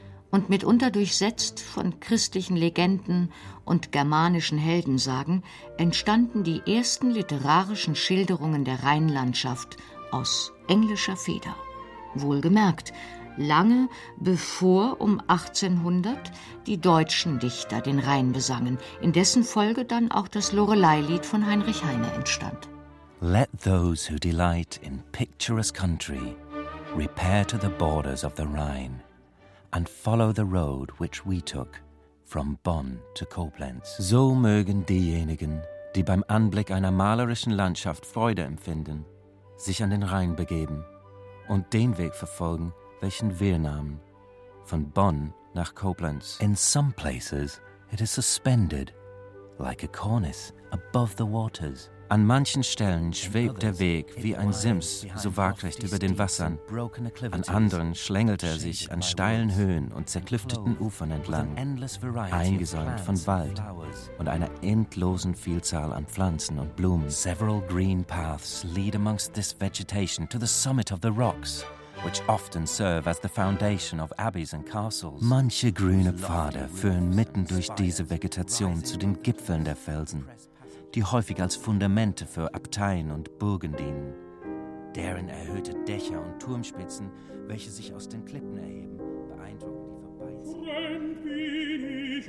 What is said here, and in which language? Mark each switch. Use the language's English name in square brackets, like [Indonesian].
[German] Und mitunter durchsetzt von christlichen Legenden und germanischen Heldensagen entstanden die ersten literarischen Schilderungen der Rheinlandschaft aus englischer Feder. Wohlgemerkt, lange bevor um 1800 die deutschen Dichter den Rhein besangen, in dessen Folge dann auch das Loreleilied von Heinrich Heine entstand. [English] Let those who delight in picturesque country repair to the borders of the Rhine and follow the road which we took from Bonn to Koblenz. [German] So mögen diejenigen, die beim Anblick einer malerischen Landschaft Freude empfinden, sich an den Rhein begeben und den Weg verfolgen, welchen wir nahmen, von Bonn nach Koblenz. [English] In some places it is suspended, like a cornice, above the waters. [German] An manchen Stellen schwebt der Weg wie ein Sims so waagrecht über den Wassern. An anderen schlängelt er sich an steilen Höhen und zerklüfteten Ufern entlang, eingesäumt von Wald und einer endlosen Vielzahl an Pflanzen und Blumen. [English] Several green paths lead amongst this vegetation to the summit of the rocks, which often serve as the foundation of abbeys and castles. [German] Manche grüne Pfade führen mitten durch diese Vegetation zu den Gipfeln der Felsen, die häufig als Fundamente für Abteien und Burgen dienen, deren erhöhte Dächer und Turmspitzen, welche sich aus den Klippen erheben, beeindrucken die Vorbeisehenden.